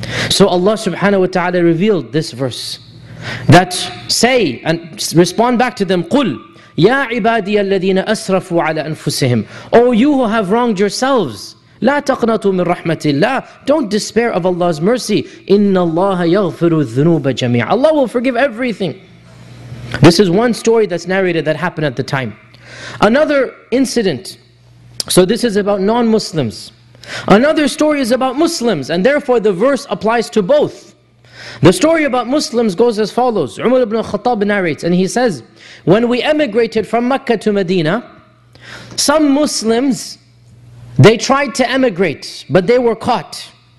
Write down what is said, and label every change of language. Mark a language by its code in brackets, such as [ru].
[en] So Allah subhanahu wa ta'ala revealed this verse that say and respond back to them, [ar] قُلْ يَا عِبَادِيَ الَّذِينَ أَسْرَفُوا عَلَىٰ أَنفُسِهِمْ [en] O you who have wronged yourselves, [ar] لَا تَقْنَطُوا مِنْ رَحْمَةِ اللَّهِ [en] Don't despair of Allah's mercy. [ar] إِنَّ اللَّهَ يَغْفِرُ الذُّنُوبَ جَمِيعًا [en] Allah will forgive everything. This is one story that's narrated that happened at the time. Another incident, so this is about non-Muslims. Another story is about Muslims, and therefore the verse applies to both. The story about Muslims goes as follows. Umar ibn Khattab narrates, and he says, when we emigrated from Mecca to Medina, some Muslims, they tried to emigrate, but they were caught.